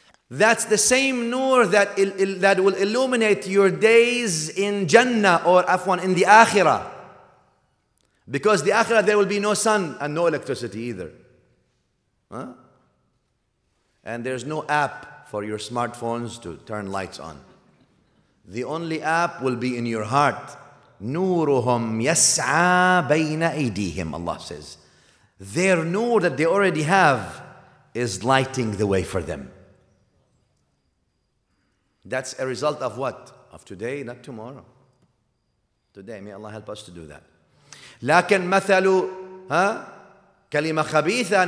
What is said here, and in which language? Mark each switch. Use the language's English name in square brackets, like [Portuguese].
[English] That's the same nur that will illuminate your days in Jannah or Afwan in the Akhirah. Because the Akhirah, there will be no sun and no electricity either. And there's no app for your smartphones to turn lights on. The only app will be in your heart. [Arabic] نورهم يسعى بين أيديهم, [English] Allah says. Their nur that they already have is lighting the way for them. That's a result of what? Of today, not tomorrow. Today, may Allah help us to do that. [Arabic] لكن مثل كلمة خبيثة.